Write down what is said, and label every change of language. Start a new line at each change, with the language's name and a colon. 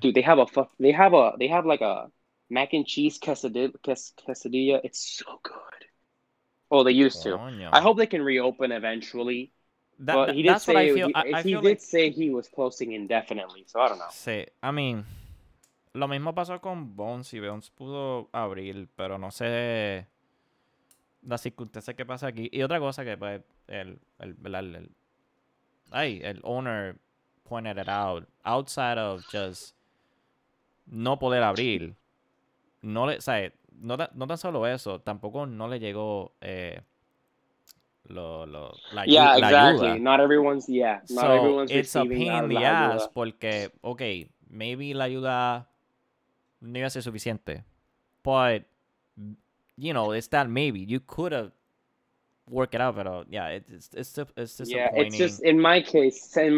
English: Dude, they have like a mac and cheese quesadilla. It's so good. Oh, they used to. I hope they can reopen eventually. He did say he was closing indefinitely, so I don't know.
Spanish: Sí.
English: I mean,
Spanish: lo mismo pasó con Bones. Y Bones pudo abrir, pero no sé las circunstancias que pasa aquí. Y otra cosa que pues el
English: owner pointed it out, outside of just
Spanish: no poder abrir, no tan solo eso, tampoco no le llegó la ayuda.
English: Not everyone's it's a pain in the ass, porque, okay, maybe
Spanish: la ayuda no iba a ser suficiente,
English: but, you know, it's that maybe, you could have work it out, but it's disappointing in my case